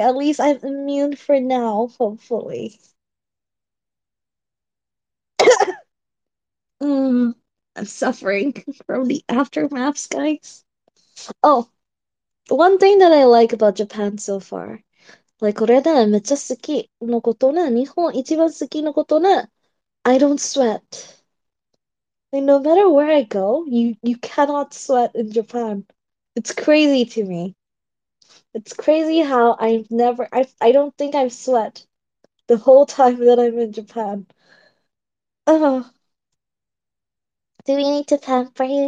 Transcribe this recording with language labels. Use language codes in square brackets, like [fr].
[en] At least I'm immune for now, hopefully. I'm suffering from the aftermaths, guys. Oh, one thing that I like about Japan so far. [ja] Like, これね、めっちゃ好きのことね。日本一番好きのことね。 [en] I don't sweat. Like, no matter where I go, you cannot sweat in Japan. It's crazy to me. It's crazy how I don't think I've sweat the whole time that I'm in Japan. Oh. Do we need to pamper you?